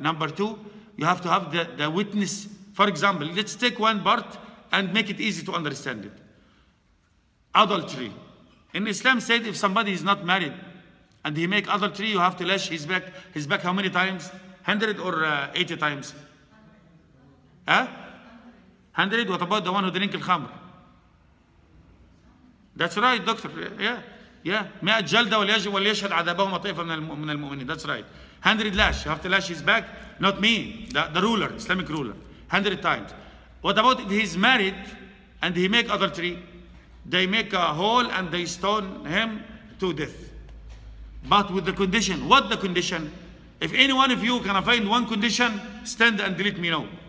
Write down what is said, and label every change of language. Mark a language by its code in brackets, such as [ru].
[en] Number two, you have to have the witness. For example, let's take one part and make it easy to understand it. Adultery. In Islam said if somebody is not married and he make adultery, you have to lash his back how many times? 100 or 80 times? Huh? 100, what about the one who drink al-khamr? That's right, doctor, yeah. [ar] مئة جلدة وليشهد عذابهما طائفة من المؤمنين, [en] that's right. 100 lash, you have to lash his back, not me, the ruler, Islamic ruler, 100 times. What about if he's married and he make adultery? They make a hole and they stone him to death. But with the condition, what the condition? If any one of you can find one condition, stand and let me know.